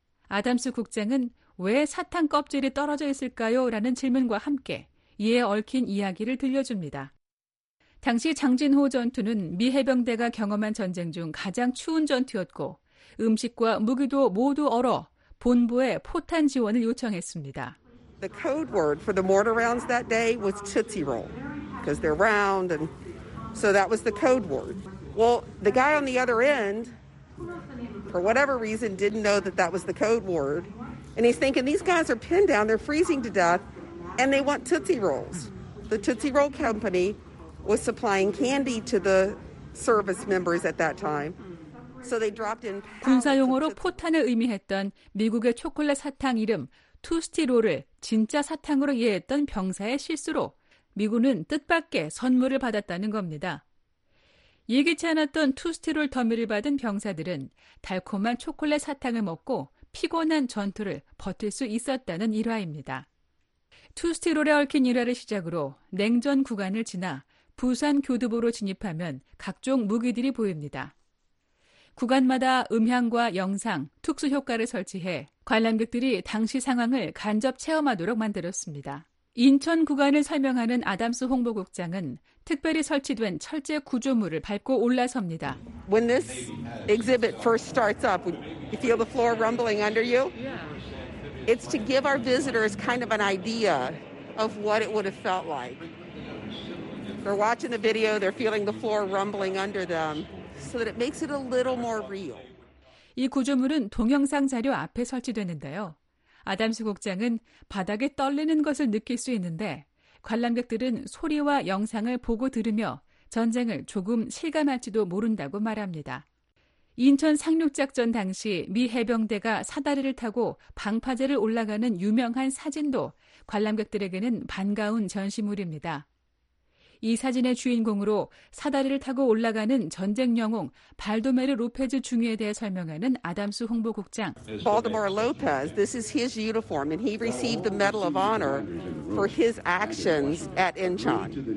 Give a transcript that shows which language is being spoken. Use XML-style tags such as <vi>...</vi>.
<ko>아담스 국장은 왜 사탕 껍질이 떨어져 있을까요? 라는 질문과 함께 이에 얽힌 이야기를 들려줍니다. 당시 장진호 전투는 미 해병대가 경험한 전쟁 중 가장 추운 전투였고 음식과 무기도 모두 얼어 본부에 포탄 지원을 요청했습니다.</ko> <en>The code word for the mortar rounds that day was Tootsie Roll because they're round and so that was the code word. Well, the guy on the other end for whatever reason didn't know that that was the code word and he's thinking these guys are pinned down, they're freezing to death and they want Tootsie Rolls. The Tootsie Roll company was supplying candy to the service members at that time. So they dropped in</en> <ko>군사 용어로 포탄을 의미했던 미국의 초콜릿 사탕 이름 투스티롤을 진짜 사탕으로 이해했던 병사의 실수로 미군은 뜻밖의 선물을 받았다는 겁니다. 예기치 않았던 투스티롤 더미를 받은 병사들은 달콤한 초콜릿 사탕을 먹고 피곤한 전투를 버틸 수 있었다는 일화입니다. 투스티롤에 얽힌 일화를 시작으로 냉전 구간을 지나 부산 교두보로 진입하면 각종 무기들이 보입니다. 구간마다 음향과 영상, 특수효과를 설치해 관람객들이 당시 상황을 간접 체험하도록 만들었습니다. 인천 구간을 설명하는 아담스 홍보국장은 특별히 설치된 철제 구조물을 밟고 올라섭니다.</ko> <en>When this exhibit first starts up, you feel the floor rumbling under you? It's to give our visitors kind of an idea of what it would have felt like. They're watching the video, they're feeling the floor rumbling under them. So that it makes it a little more real.</en> <ko>이 구조물은 동영상 자료 앞에 설치되는데요. 아담스 국장은 바닥이 떨리는 것을 느낄 수 있는데 관람객들은 소리와 영상을 보고 들으며 전쟁을 조금 실감할지도 모른다고 말합니다. 인천 상륙작전 당시 미 해병대가 사다리를 타고 방파제를 올라가는 유명한 사진도 관람객들에게는 반가운 전시물입니다. 이 사진의 주인공으로 사다리를 타고 올라가는 전쟁 영웅 발도메르 로페즈 중위에 대해 설명하는 아담스 홍보국장.</ko> <en>Baldomero Lopez, this is his uniform and he received the Medal of Honor for his actions at Incheon.</en>